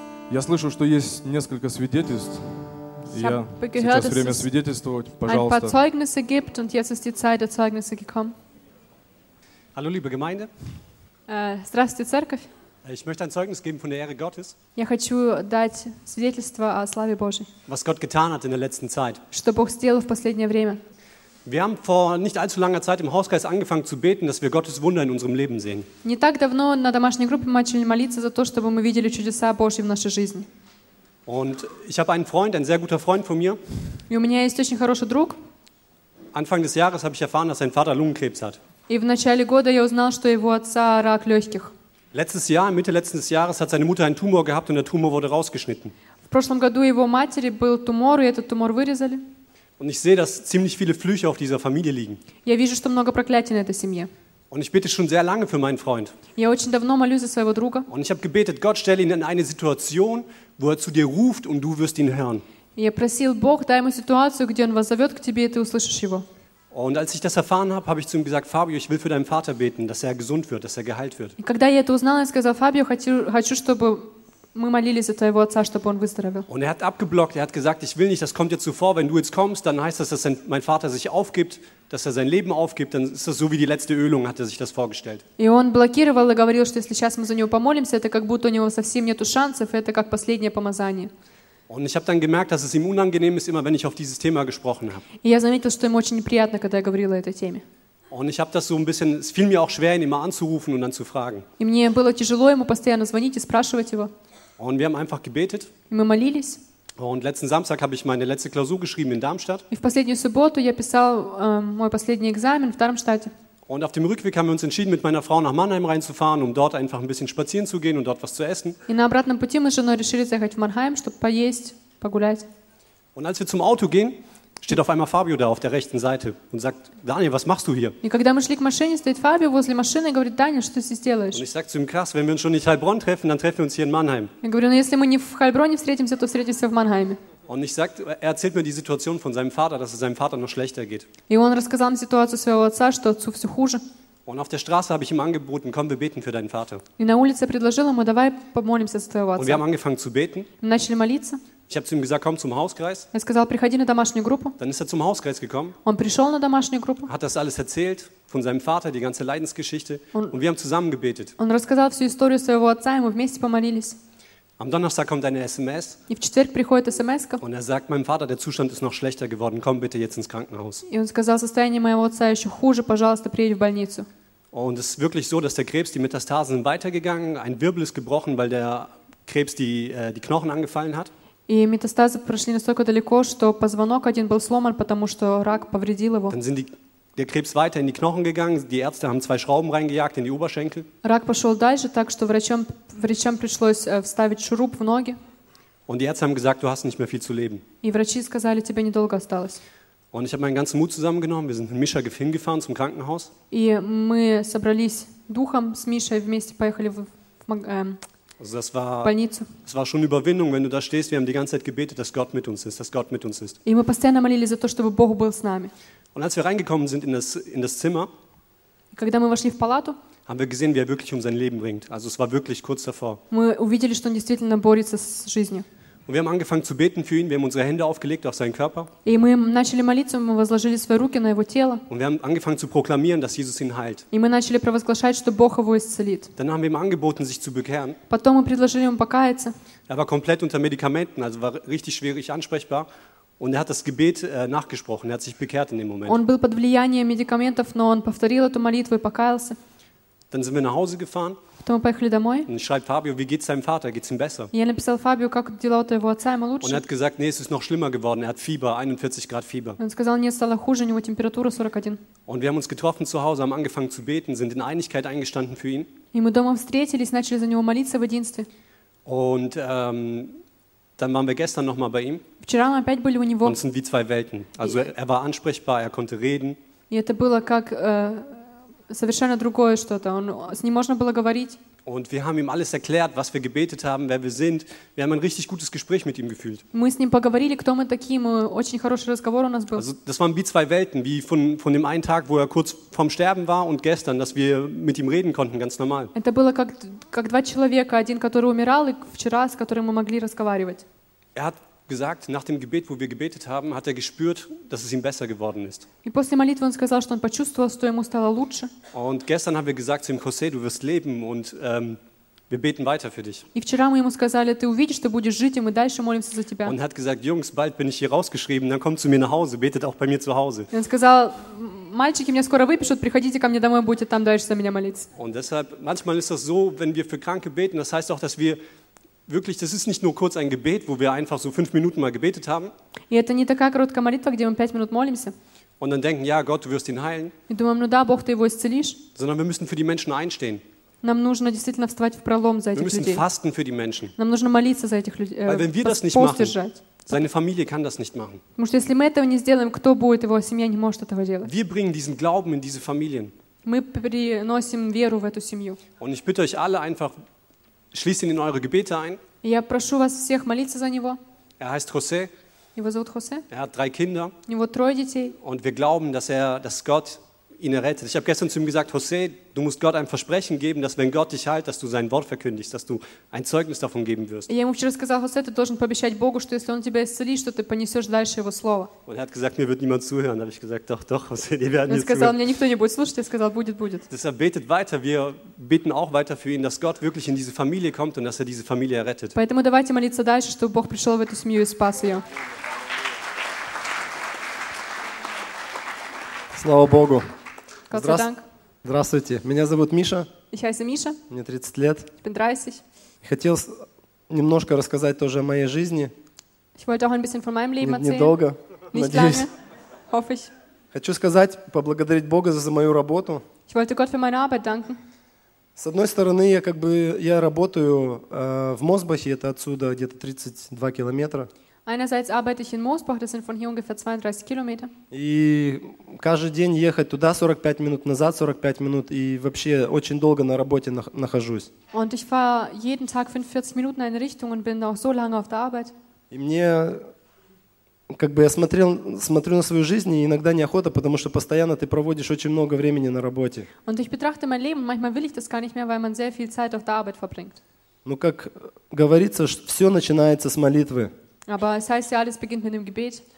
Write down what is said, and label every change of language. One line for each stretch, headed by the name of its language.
Russian: Я слышу, что есть несколько свидетельств. Я сейчас
German: dass
Russian: время свидетельствовать, пожалуйста.
German: Ein paar Zeugnisse gibt und jetzt ist die Zeit der Zeugnisse gekommen. Hallo, liebe Gemeinde.
Russian: Здравствуйте, церковь.
German: Ich möchte ein Zeugnis geben von der Ehre Gottes.
Russian: Я хочу дать свидетельство о славе Божьей.
German: Was Gott getan hat in der letzten Zeit.
Russian: Что Бог сделал в последнее время.
German: Wir haben vor nicht allzu langer Zeit im Hauskreis angefangen zu beten, dass wir Gottes Wunder in unserem Leben sehen.
Russian: Не так давно на домашней группе мы начали молиться за то, чтобы мы видели чудеса Божьи в нашей жизни.
German: Und ich habe einen Freund, ein sehr guter Freund von mir.
Russian: И у меня есть очень хороший друг.
German: Anfang des Jahres habe ich erfahren, dass sein Vater Lungenkrebs hat.
Russian: И в начале года я узнал, что его отца рак легких.
German: Letztes Jahr, Mitte letzten Jahres, hat seine Mutter einen Tumor gehabt und der Tumor wurde rausgeschnitten.
Russian: В прошлом году его матери был тумор, и этот тумор вырезали.
German: Und ich sehe, dass ziemlich viele Flüche auf dieser Familie liegen.
Russian: Я вижу, что много проклятий на этой семье.
German: Und ich bete schon sehr lange für meinen Freund.
Russian: Я очень давно молюсь за своего друга.
German: Und ich habe gebetet, Gott, stelle ihn in eine Situation, wo er zu dir ruft und du wirst ihn hören.
Russian: Я просил Бог, дай ему ситуацию, где он вас зовет к тебе, и ты услышишь его.
German: Und als ich das erfahren habe, habe ich zu ihm gesagt, Fabio, ich will für deinen Vater beten, dass er gesund wird, dass er geheilt wird.
Russian: И когда я это узнал, я сказал, Фабио, хочу, чтобы мы молились за твоего отца, чтобы он выздоровел.
German: Und er hat abgeblockt, er hat gesagt, ich will nicht, das kommt dir zuvor, wenn du jetzt kommst, dann heißt das, dass mein Vater sich aufgibt, dass er sein Leben aufgibt, dann ist das so wie die letzte Ölung, hat er sich das vorgestellt.
Russian: И он блокировал и говорил, что если сейчас мы за него помолимся, это как будто у него совсем нету шансов, это как последнее помазание.
German: Und ich habe dann gemerkt, dass es ihm unangenehm ist, immer wenn ich auf dieses Thema gesprochen habe.
Russian: И я заметил, что ему очень неприятно, когда я говорила о этой теме.
German: Und ich habe das so ein bisschen, es fiel mir auch schwer, ihn immer anzurufen und dann zu fragen.
Russian: И мне было тяжело ему постоянно звонить и спрашивать его.
German: Und wir haben einfach gebetet.
Russian: Мы молились.
German: Und letzten Samstag habe ich meine letzte Klausur geschrieben in Darmstadt.
Russian: И в последнюю субботу я писал мой последний экзамен в Дармштадте.
German: Und auf dem Rückweg haben wir uns entschieden, mit meiner Frau nach Mannheim reinzufahren, um dort einfach ein bisschen spazieren zu gehen und dort was zu essen.
Russian: И на обратном пути мы с женой решили заехать в Мannheim, чтобы поесть, погулять.
German: Und als wir zum Auto gehen, steht auf einmal Fabio da auf der rechten Seite und sagt, Daniel, was machst du hier?
Russian: И когда мы шли к машине, стоит Фабио возле машины и говорит, Даня, что ты здесь делаешь?
German: Und ich sag zu ihm, krass, wenn wir uns schon nicht in Heilbronn treffen, dann treffen wir uns hier in Mannheim.
Russian: Я говорю, ну если мы не в Хайлбронне встретимся, то встретимся в Мannheimе.
German: Und ich sag, er erzählt mir die Situation von seinem Vater, dass es seinem Vater noch schlechter geht.
Russian: И он рассказал мне ситуацию своего отца, что отцу все хуже.
German: Und auf der Straße habe ich ihm angeboten, komm, wir beten für deinen Vater.
Russian: И на улице предложил ему, давай помолимся за твоего отца.
German: Und wir haben angefangen zu beten.
Russian: Мы начали молиться.
German: Ich habe zu ihm gesagt, komm zum Hauskreis. Er
Russian: сказал, приходи на домашнюю группу.
German: Dann ist er zum Hauskreis gekommen.
Russian: Он пришел на домашнюю группу.
German: Hat das alles erzählt von seinem Vater, die ganze Leidensgeschichte. Und wir haben zusammen gebetet.
Russian: Он рассказал всю историю своего отца, и мы вместе помолились.
German: Am Donnerstag kommt eine SMS.
Russian: И в четверг приходит СМСка.
German: Und er sagt, mein Vater, der Zustand ist noch schlechter geworden. Komm bitte jetzt ins Krankenhaus.
Russian: И он сказал, состояние моего отца еще хуже, пожалуйста, приедь в больницу.
German: Und es ist wirklich so, dass der Krebs, die Metastasen sind weitergegangen. Ein Wirbel ist gebrochen, weil der Krebs die Knochen angefallen hat.
Russian: И метастазы прошли настолько далеко, что позвонок один был сломан, потому что рак повредил его.
German: Dann sind der Krebs weiter in die Knochen gegangen. Die Ärzte haben zwei Schrauben reingejagt in die Oberschenkel.
Russian: Рак пошел дальше, так что врачам пришлось вставить шуруп в ноги.
German: Und die Ärzte haben gesagt, du hast nicht mehr viel zu leben.
Russian: И врачи сказали, тебе недолго осталось.
German: Und ich habe meinen ganzen Mut zusammengenommen. Wir sind mit Mischa hingefahren zum Krankenhaus.
Russian: И мы собрались духом с Мишей вместе поехали
German: Also das war schon Überwindung, wenn du da stehst. Wir haben die ganze Zeit gebetet, dass Gott mit uns ist, dass Gott mit uns ist.
Russian: И мы постоянно молились за то, чтобы Бог был с нами.
German: Und als wir reingekommen sind in das Zimmer,
Russian: когда мы вошли в палату,
German: haben wir gesehen, wie er wirklich um sein Leben ringt. Also es war wirklich kurz davor.
Russian: Мы увидели, что он действительно борется с жизнью.
German: Und wir haben angefangen zu beten für ihn. Wir haben unsere Hände aufgelegt auf seinen Körper.
Russian: И мы начали молиться, мы возложили свои руки на его тело.
German: Und wir haben angefangen zu proklamieren, dass Jesus ihn heilt.
Russian: И мы начали провозглашать, что Бог его исцелит.
German: Dann haben wir ihm angeboten, sich zu bekehren.
Russian: Потом мы предложили ему покаяться.
German: Er war komplett unter Medikamenten, also war richtig schwierig ansprechbar. Und er hat das Gebet nachgesprochen. Er hat sich bekehrt in dem Moment.
Russian: Он был под влиянием медикаментов, но он повторил эту молитву и покаялся.
German: Dann sind wir nach Hause gefahren.
Russian: То мы поехали домой.
German: Und ich schreibe Fabio, wie geht's deinem Vater? Geht's ihm besser?
Russian: Я написал Фабио, как дела у твоего отца, ему лучше?
German: Und er hat gesagt, nee, es ist noch schlimmer geworden. Er hat Fieber, 41 Grad Fieber.
Russian: Он сказал, нет, стало хуже, у него температура 41.
German: Und wir haben uns getroffen zu Hause, haben angefangen zu beten, sind in Einigkeit eingestanden für ihn.
Russian: И мы дома встретились, начали за него молиться в единстве.
German: Und dann waren wir gestern noch mal bei ihm.
Russian: Вчера мы опять были у него.
German: Und es sind wie zwei Welten. Also er war ansprechbar, er konnte reden.
Russian: И это было как совершенно другое что-то. Он, с ним можно было говорить.
German: Und wir haben ihm alles erklärt, was wir gebetet haben, wer wir sind. Wir haben ein richtig gutes Gespräch mit ihm gefühlt.
Russian: Мы с ним поговорили, кто мы такие. Мы очень хороший разговор у нас был.
German: Also, das waren wie zwei Welten, wie von dem einen Tag, wo er kurz vorm Sterben war, und gestern, dass wir mit ihm reden konnten, ganz normal.
Russian: Это было как два человека, один, который умирал, и вчера, с которым мы могли разговаривать.
German: Er hat gesagt, nach dem Gebet, wo wir gebetet haben, hat er gespürt, dass es ihm besser geworden ist.
Russian: И после молитвы он сказал, что он почувствовал, что ему стало лучше.
German: Und gestern haben wir gesagt zu ihm, José, du wirst leben, und wir beten weiter für dich.
Russian: И вчера мы ему сказали, ты увидишь, ты будешь жить, и мы дальше молимся за тебя.
German: Und hat gesagt, Jungs, bald bin ich hier rausgeschrieben, dann kommt zu mir nach Hause, betet auch bei mir zu Hause.
Russian: И он сказал, мальчики, меня скоро выпишут, приходите ко мне домой, будете там дальше за меня молиться.
German: Und deshalb, manchmal ist das so, wenn wir für Kranke beten, das heißt auch, dass wir wirklich, das ist nicht nur kurz ein Gebet, wo wir einfach so fünf Minuten mal gebetet haben.
Russian: И это не такая короткая молитва, где мы пять минут молимся.
German: Und dann denken, ja, Gott, du wirst ihn heilen.
Russian: И думаем, ну да, Бог, ты его исцелишь.
German: Sondern wir müssen für die Menschen einstehen.
Russian: Нам нужно действительно вставать в пролом за этих людей.
German: Wir müssen fasten für die Menschen.
Russian: Нам нужно молиться за этих людей.
German: Weil wenn wir das nicht machen, seine Familie kann das nicht machen.
Russian: Потому что если мы этого не сделаем, кто будет, его семья не может этого делать.
German: Wir bringen diesen Glauben in diese Familien.
Russian: Мы приносим веру в эту семью.
German: Und ich bitte euch alle einfach, schließt ihn in eure Gebete ein.
Russian: Я прошу вас всех молиться за него.
German: Er heißt José.
Russian: Его зовут José.
German: Er hat drei Kinder.
Russian: У него трое детей.
German: Und wir glauben, dass Gott ihn errettet. Ich habe gestern zu ihm gesagt, José, du musst Gott ein Versprechen geben, dass wenn Gott dich heilt, dass du sein Wort verkündigst, dass du ein Zeugnis davon geben wirst.
Russian: Я ему вчера сказал, José, ты должен пообещать Богу, что если он тебя исцелит, что ты понесешь дальше его слово.
German: Und er hat gesagt, mir wird niemand zuhören. Habe ich gesagt, doch, doch, José, die werden zuhören.
Russian: Он сказал, мне никто не будет слушать. Я сказал, будет, будет.
German: Deshalb betet weiter. Wir beten auch weiter für ihn, dass Gott wirklich in diese Familie kommt und dass er diese Familie errettet.
Russian: Поэтому давайте молиться дальше, чтобы Бог пришел в эту семью и спас ее. Слава Богу. Здравствуйте, меня зовут Миша.
German: Ich heiße Миша.
Russian: Мне 30 лет.
German: Ich bin 30.
Russian: Хотел немножко рассказать тоже о моей жизни.
German: Ich wollte auch ein bisschen von meinem Leben erzählen.
Russian: Недолго, надеюсь.
German: Nicht lange, hoffe ich.
Russian: Хочу сказать, поблагодарить Бога за мою работу.
German: Ich wollte Gott für meine Arbeit danken.
Russian: С одной стороны, я как бы я работаю в Мосбахе, это отсюда где-то 32 километра.
German: Einerseits arbeite ich in Mosbach, das sind von hier ungefähr 32 Kilometer.
Russian: И каждый день ехать туда 45 минут, назад 45 минут, и вообще очень долго на работе нахожусь.
German: Und ich fahre jeden Tag 45 Minuten in eine Richtung und bin auch so lange auf der Arbeit.
Russian: И мне, как бы я смотрю на свою жизнь, и иногда неохота, потому что постоянно ты проводишь очень много времени на работе.
German: Und ich betrachte mein Leben, manchmal will ich das gar nicht mehr, weil man sehr viel Zeit auf der Arbeit verbringt.
Russian: Ну, как говорится, все начинается с молитвы.
German: Aber es heißt ja, alles beginnt mit dem Gebet.